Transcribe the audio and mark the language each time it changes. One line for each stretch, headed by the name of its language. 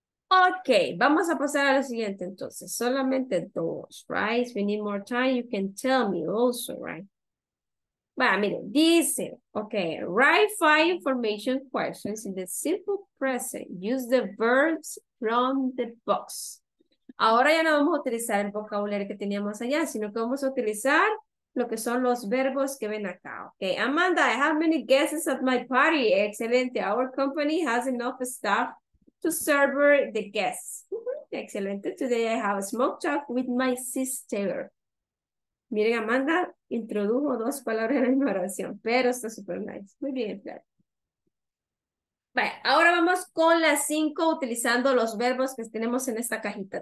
Spanish: Okay, vamos a pasar a lo siguiente entonces.
English: Solamente dos, right? If you need more time, you can tell me also, right?
Spanish: Bueno, mire, dice,
English: okay, write 5 information questions in the simple present. Use the verbs from the box.
Spanish: Ahora ya no vamos a utilizar el vocabulario que teníamos allá, sino que vamos a utilizar lo que son los verbos que ven acá.
English: Okay, Amanda, I have many guests at my party.
Spanish: Excelente.
English: Our company has enough staff to serve the guests.
Spanish: Excelente.
English: Today I have a smoke talk with my sister.
Spanish: Miren, Amanda introdujo dos palabras en la misma oración, pero está super nice. Muy bien, claro. Vale, ahora vamos con las 5 utilizando los verbos que tenemos en esta cajita.